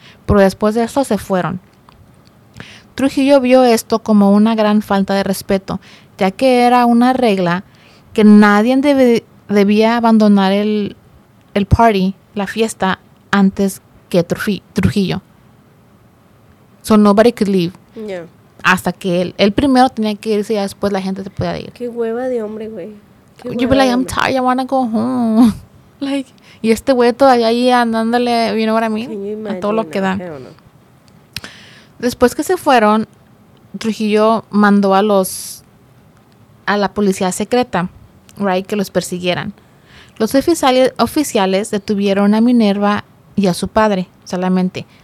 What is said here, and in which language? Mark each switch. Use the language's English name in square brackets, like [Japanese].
[Spanish] Pero después de eso se fueron. Trujillo vio esto como una gran falta de respeto, ya que era una regla que nadie debía abandonar el [English] party, [Spanish] la fiesta, antes que Trujillo. [English] So nobody could leave. Yeah. [Spanish] Hasta que él primero tenía que irse y después la gente se podía ir. Qué hueva de hombre, güey. [English] You'd be like, I'm tired, I wanna go home. [Spanish] Like, y este güey todavía ahí andándole, [English] you know what I mean? [Spanish] A todo lo que dan. Después que se fueron, Trujillo mandó a la policía secreta, right, que los persiguieran. Los oficiales detuvieron a Minerva y a su padre solamente.